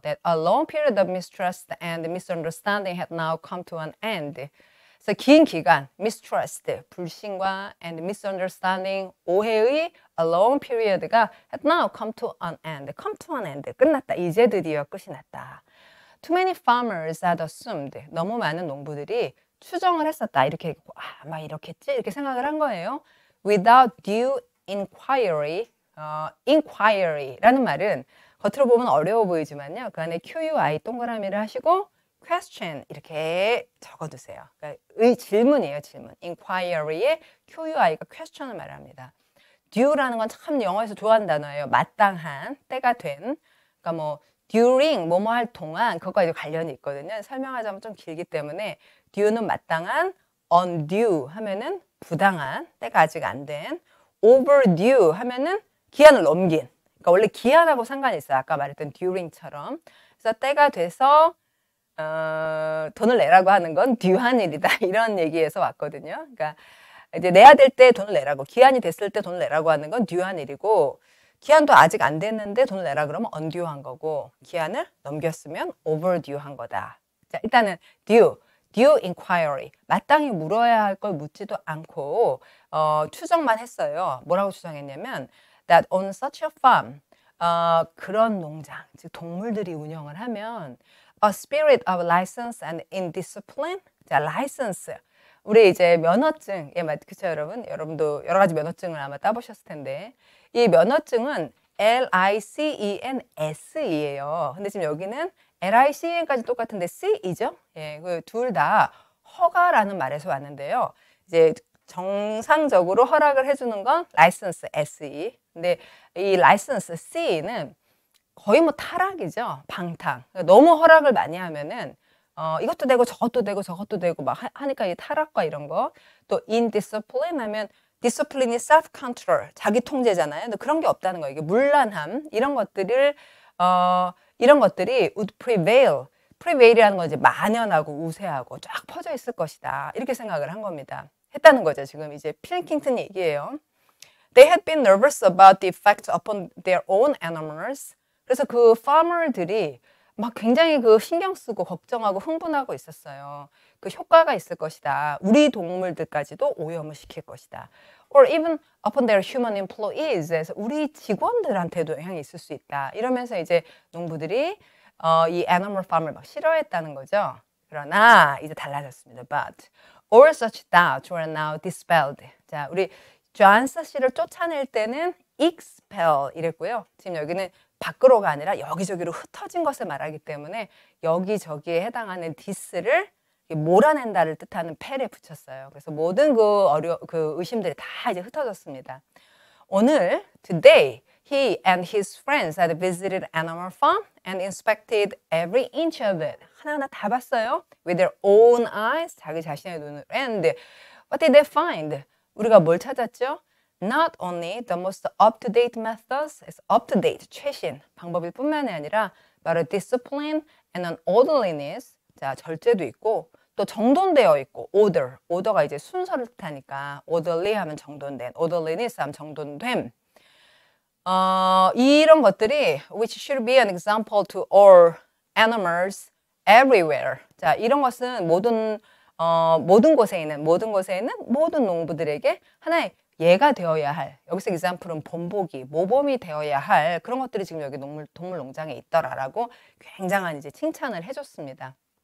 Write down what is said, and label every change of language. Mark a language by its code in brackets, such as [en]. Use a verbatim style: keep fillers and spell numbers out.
[en] That a long period of mistrust and misunderstanding had now come to an end. [ko] 그래서 긴 기간 [en] mistrust, [ko] 불신과 [en] and misunderstanding, [ko] 오해의 [en] a long period가 had now come to an end. come to an end. [ko] 끝났다. 이제 드디어 끝이 났다. [en] Too many farmers had assumed. [ko] 너무 많은 농부들이 추정을 했었다. 이렇게 아, 막 이렇겠지? 이렇게 생각을 한 거예요. [en] Without due inquiry, [ko] 어, inquiry라는 말은 겉으로 보면 어려워 보이지만요. 그 안에 큐 유 아이 동그라미를 하시고 question 이렇게 적어두세요. 그러니까 의 질문이에요. 질문. inquiry에 큐 유 아이가 question을 말합니다. due라는 건 참 영어에서 좋아하는 단어예요. 마땅한, 때가 된. 그러니까 뭐 during, 뭐뭐 할 동안 그것과 이제 관련이 있거든요. 설명하자면 좀 길기 때문에 due는 마땅한, undue 하면은 부당한, 때가 아직 안 된, overdue 하면은 기한을 넘긴. 그러니까 원래 기한하고 상관이 있어요. 아까 말했던 during처럼. 그래서 때가 돼서 어, 돈을 내라고 하는 건 due한 일이다. 이런 얘기에서 왔거든요. 그러니까 이제 내야 될 때 돈을 내라고, 기한이 됐을 때 돈을 내라고 하는 건 due한 일이고, 기한도 아직 안 됐는데 돈을 내라 그러면 undue한 거고, 기한을 넘겼으면 overdue한 거다. 자, 일단은 due, due inquiry. 마땅히 물어야 할 걸 묻지도 않고 어, 추정만 했어요. 뭐라고 추정했냐면 [en] that on such a farm, 어, [ko] 그런 농장, 즉 동물들이 운영을 하면 [en] a spirit of license and indiscipline. [ko] 자, license. 우리 이제 면허증, 예, 맞, 그쵸, 여러분? 여러분도 여러 가지 면허증을 아마 따보셨을 텐데, 이 면허증은 엘 아이 씨 이 엔 에스 이에요. 근데 지금 여기는 엘 아이 씨 이 엔까지 똑같은데 씨이죠? 예, 그 둘 다 허가라는 말에서 왔는데요. 이제 정상적으로 허락을 해주는 건 license, 에스 이. 근데 이 license, 씨는 거의 뭐 타락이죠. 방탕. 그러니까 너무 허락을 많이 하면은 어, 이것도 되고 저것도 되고 저것도 되고 막 하, 하니까 이 타락과 이런 거. 또 indiscipline 하면 discipline이 self-control, 자기 통제잖아요. 근데 그런 게 없다는 거예요. 이게 문란함 이런 것들을 어, 이런 것들이 [en] would prevail. [ko] prevail이라는 건 이제 만연하고 우세하고 쫙 퍼져 있을 것이다. 이렇게 생각을 한 겁니다. 했다는 거죠. 지금 이제 필킹턴 얘기예요. [en] They had been nervous about the effect upon their own animals. [ko] 그래서 그 farmer들이 막 굉장히 그 신경 쓰고 걱정하고 흥분하고 있었어요. 그 효과가 있을 것이다. 우리 동물들까지도 오염을 시킬 것이다. [en] Or even upon their human employees. [ko] 그래서 우리 직원들한테도 영향이 있을 수 있다. 이러면서 이제 농부들이 어, 이 animal farm을 막 싫어했다는 거죠. 그러나 이제 달라졌습니다. [en] But all such doubts were now dispelled. [ko] 자, 우리 존스 씨를 쫓아낼 때는 expel 이랬고요. 지금 여기는 밖으로가 아니라 여기저기로 흩어진 것을 말하기 때문에 여기저기에 해당하는 디스를 몰아낸다를 뜻하는 펠에 붙였어요. 그래서 모든 그 어려 그 의심들이 다 이제 흩어졌습니다. 오늘 [en] today he and his friends had visited animal farm and inspected every inch of it. [ko] 하나하나 다 봤어요. [en] With their own eyes, [ko] 자기 자신의 눈으로. [en] And what did they find? [ko] 우리가 뭘 찾았죠? [en] Not only the most up-to-date methods, it's up-to-date, [ko] 최신 방법일 뿐만이 아니라 바로 [en] discipline and an orderliness, [ko] 자, 절제도 있고 또 정돈되어 있고 order, order가 이제 순서를 뜻하니까 orderly 하면 정돈된, orderliness 하면 정돈됨. [en] 어, [ko] 이런 것들이 [en] which should be an example to all animals everywhere. [ko] 자, 이런 것은 모든 어, 모든 곳에 있는 모든 곳에 있는 모든 농부들에게 하나의 예가 되어야 할, 여기서 example은 본보기, 모범이 되어야 할 그런 것들이 지금 여기 동물, 동물 농장에 있더라라고 굉장한 이제 칭찬을 해줬습니다.